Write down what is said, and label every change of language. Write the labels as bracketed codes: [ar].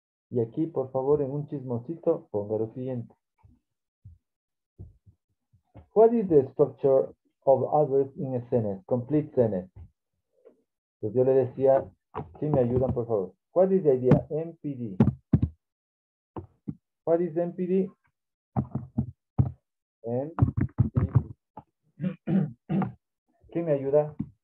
[es] Y aquí, por favor, en un chismosito, ponga lo siguiente. [en] What is the structure of adverbs in a sentence? Complete sentence. [es] Pues yo le decía, si me ayudan, por favor. [en] What is the idea? MPD. What is MPD? [es] MPD. ¿Quién me ayuda?